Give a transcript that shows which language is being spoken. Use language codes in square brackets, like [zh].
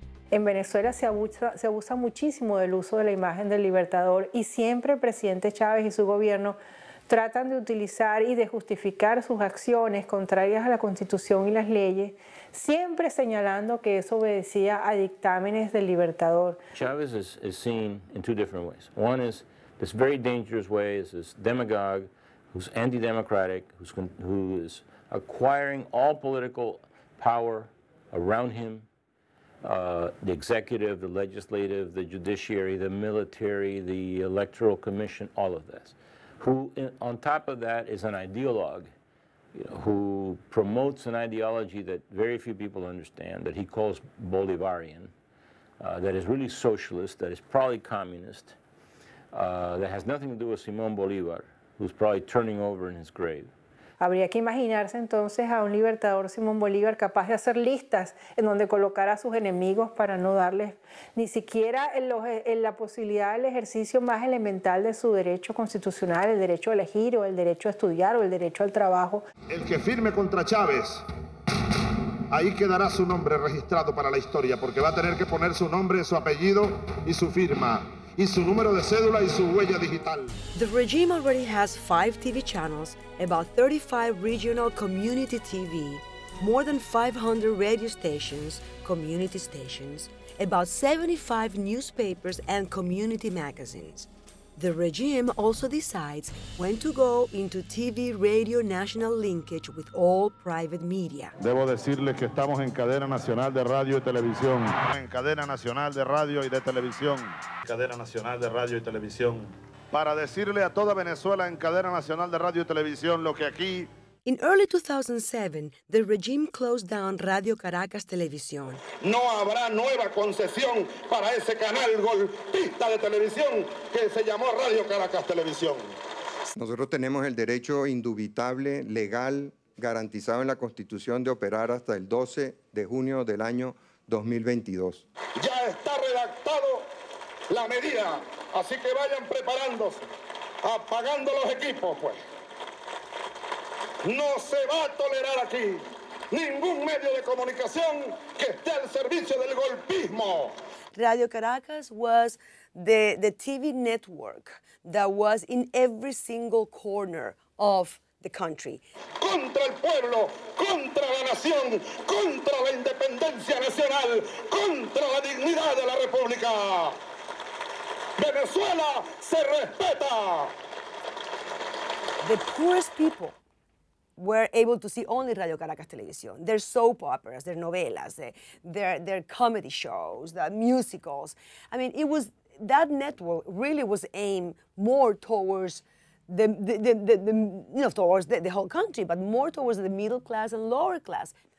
[es] En Venezuela se abusa muchísimo del uso de la imagen del libertador y siempre el presidente Chávez y su gobierno tratan de utilizar y de justificar sus acciones contrarias a la Constitución y las leyes, siempre señalando que eso obedecía a dictámenes del Libertador. [en] Chávez is seen in two different ways. One is this very dangerous way, is this demagogue who's anti-democratic, who is acquiring all political power around him, the executive, the legislative, the judiciary, the military, the electoral commission, all of this. Who, on top of that, is an ideologue, who promotes an ideology that very few people understand, that he calls Bolivarian, that is really socialist, that is probably communist, that has nothing to do with Simón Bolívar, who's probably turning over in his grave. [es] Habría que imaginarse entonces a un libertador Simón Bolívar capaz de hacer listas en donde colocar a sus enemigos para no darles ni siquiera en la posibilidad del ejercicio más elemental de su derecho constitucional, el derecho a elegir o el derecho a estudiar o el derecho al trabajo. El que firme contra Chávez, ahí quedará su nombre registrado para la historia, porque va a tener que poner su nombre, su apellido y su firma. Y su número de cédula y su huella digital. [en] The regime already has 5 TV channels, about 35 regional community TV, more than 500 radio stations, community stations, about 75 newspapers and community magazines. The regime also decides when to go into TV radio national linkage with all private media. [es] Debo decirles que estamos en cadena nacional de radio y televisión. En cadena nacional de radio y de televisión. Cadena nacional de radio y televisión. Para decirle a toda Venezuela en cadena nacional de radio y televisión lo que aquí. [en] In early 2007, the regime closed down Radio Caracas Televisión. [es] No habrá nueva concesión para ese canal golpista de televisión que se llamó Radio Caracas Televisión. Nosotros tenemos el derecho indubitable, legal, garantizado en la Constitución de operar hasta el 12 de junio del año 2022. Ya está redactado la medida, así que vayan preparándose, apagando los equipos, pues. No se va a tolerar aquí ningún medio de comunicación que esté al servicio del golpismo. [en] Radio Caracas was the TV network that was in every single corner of the country. [es] Contra el pueblo, contra la nación, contra la independencia nacional, contra la dignidad de la República. Venezuela se respeta. [en] The poorest people were able to see only Radio Caracas Televisión, their soap operas, their novelas, their comedy shows, the musicals. I mean, it was that network really was aimed more towards the whole country, but more towards the middle class and lower class.